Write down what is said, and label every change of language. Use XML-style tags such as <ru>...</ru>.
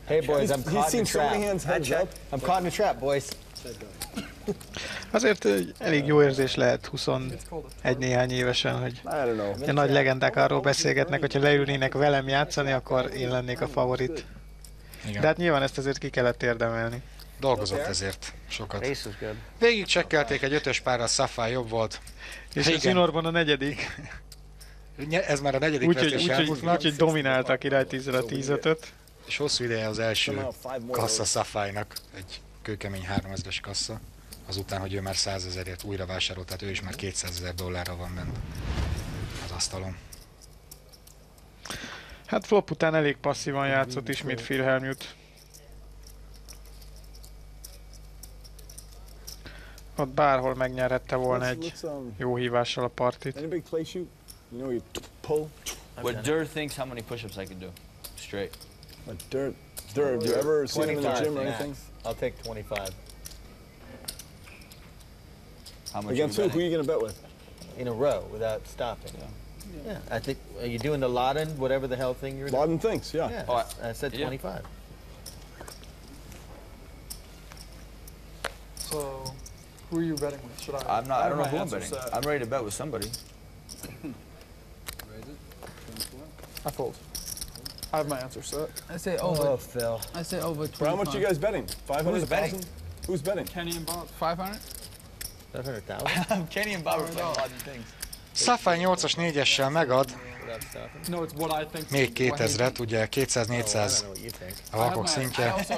<en>Hey boys, I'm caught in a trap. I'm caught in a trap, boys.</en> <hu>Azért elég jó érzés lehet 21 néhány évesen, hogy a nagy legendák arról beszélgetnek, hogyha leülnének velem játszani, akkor én lennék a favorit. Igen. De hát nyilván ezt azért ki kellett érdemelni. Dolgozott ezért sokat. Végig csekkelték egy ötös párra, Safai jobb volt. És a zsinórban a negyedik. Ez már a negyedik vesztés Helmuthnak. Úgyhogy dominálta a király 10-15-öt. És hosszú ideje az első kassa Safainak. Egy kőkemény 3000-es kassa. Azután, hogy ő már 100 000-ért újra vásárolt, tehát ő is már $200 000 van bent az asztalon. Hát flop után elég passzívan játszott ismét Phil Helmuth. Ott bárhol megnyerhette volna egy jó hívással a partit.</hu> <en>Anybody play shoot? You know, you pull. What Durr thinks how many push-ups I can do. Straight. What Durr, have you ever seen him in the gym or anything? I'll take 25. How much against who are you going to bet with? In a row, without stopping. Yeah. I think, are you doing the Laden, whatever the hell thing you're doing? Laden thinks, yeah. Yeah, I said 25. So... Who are you betting with? Should I? I'm not. I don't know who I'm betting. I'm ready to bet with somebody. Raise it. I fold. I have my answer set. I say over. Oh, Phil. I say over 25. How much are you guys betting? 500. Who's betting? Kenny and Bob. 500. 700,000? Kenny and Bauer are like odd things.</en> <hu>Safai 8-as 4-essel megad. Még 2000-et, ugye 200-400 a vakok szintje.</hu>